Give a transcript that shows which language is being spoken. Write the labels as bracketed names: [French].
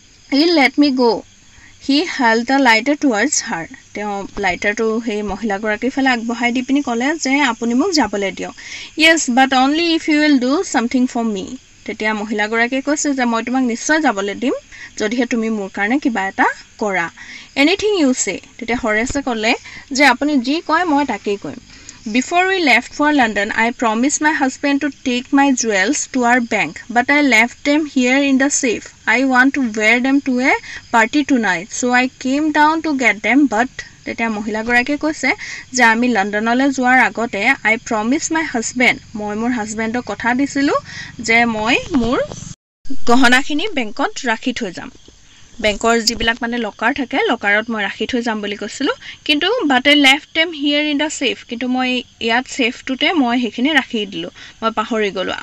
[English] he let me go' he held the lighter towards her, [Assamese] তেওঁ লাইটাৰটো সেই মহিলাগৰাকীৰ ফালে আগবঢ়াই দি পিনি ক'লে যে আপুনি মোক যাবলৈ দিয়ক, [English] yes but only if you will do something for me, [Assamese] তেতিয়া মহিলাগৰাকীয়ে কৈছে যে মই তোমাক নিশ্চয় যাবলৈ দিম যদিহে তুমি মোৰ কাৰণে কিবা এটা কৰা, [English] anything you say, [Assamese] তেতিয়া হৰেছে ক'লে যে আপুনি যি কয় মই তাকেই কৰিম। [English] Before we left for London, I promised my husband to take my jewels to our bank, but I left them here in the safe. I want to wear them to a party tonight, so I came down to get them, but... [Assamese] তেতিয়া মহিলাগৰাকীয়ে কৈছে যে আমি লণ্ডনলৈ যোৱাৰ আগতে [English] I promise my husband, [Assamese] মই মোৰ হাজবেণ্ডক কথা দিছিলোঁ যে মই মোৰ গহনাখিনি বেংকত ৰাখি থৈ যাম, বেংকৰ যিবিলাক মানে লকাৰ থাকে লকাৰত মই ৰাখি থৈ যাম বুলি কৈছিলোঁ, কিন্তু [English] but I left them here in the safe, [Assamese] কিন্তু মই ইয়াত চেফটোতে মই সেইখিনি ৰাখি দিলোঁ, মই পাহৰি গ'লোঁ।